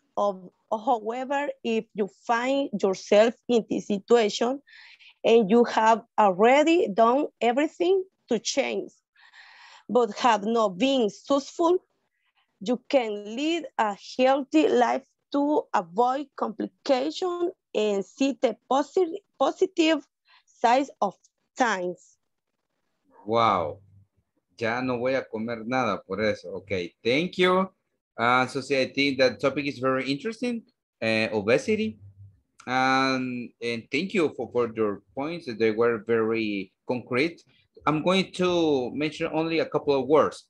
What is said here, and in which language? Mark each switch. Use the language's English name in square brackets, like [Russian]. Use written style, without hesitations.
[English] However, if you find yourself in this situation and you have already done everything to change, but have not been successful, you can lead a healthy life to avoid complications and see the positive side of things. [Spanish] Wow, ya no voy a comer nada por eso. [English] Okay, thank you. So see, I think that topic is very interesting, obesity. And thank you for your points. They were very concrete. I'm going to mention only a couple of words.